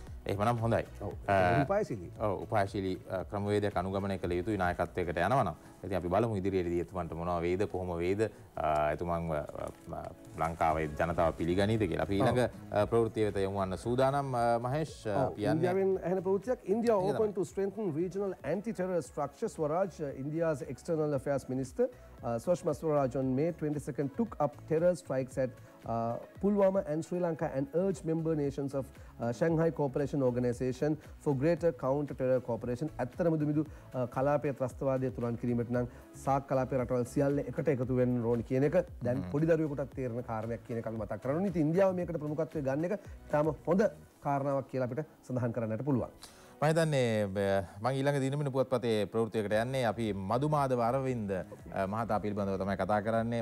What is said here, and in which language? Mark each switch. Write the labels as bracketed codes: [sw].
[si] එහෙමනම් හොඳයි. ඔව්. උපායශීලී. ඔව් උපායශීලී ක්‍රමවේදයක් අනුගමනය කළ යුතුයි නායකත්වයකට යනවනම්. ඉතින් අපි බලමු ඉදිරියේදී එතුමන්ට මොනවා වේද කොහොම වේද එතුමන් ලංකාවේ ජනතාව පිළිගනීද කියලා. අපි ඊළඟ ප්‍රවෘත්තිය වෙත යොමු වන්න සූදානම් මහේෂ් කියන්නේ ඉන්දියාවෙන් එහෙන ප්‍රවෘත්තියක් [en] India open to strengthen regional anti terror structures Swaraj India's external affairs minister Sushma Swaraj on May 22nd took up terror strikes at Pulwama and Sri Lanka and urged member nations of Shanghai Cooperation Organization for greater counter-terror cooperation. [si] ඇත්තරම දුමිදු කලාපයේ ත්‍රස්තවාදයේ තුරන් කිරීමට නම් SAARC කලාපයේ රටවල් සියල්ල එකට එකතු වෙන්න ඕන කියන එක දැන් පොඩි දරුවෙකුට තේරෙන කාරණයක් කියන එක අපි මතක් කරගන්න ඕනේ. ඉතින් ඉන්දියාව මේකට ප්‍රමුඛත්වය ගන්න එක තාම හොඳ කාරණාවක් කියලා අපිට සඳහන් කරන්නට පුළුවන්. මම හිතන්නේ මම ඊළඟ දිනෙම පුවත්පතේ ප්‍රවෘත්තියකට යන්නේ අපි මදුමාදව අරවින්ද මහතා පිළිබඳව තමයි කතා කරන්නේ.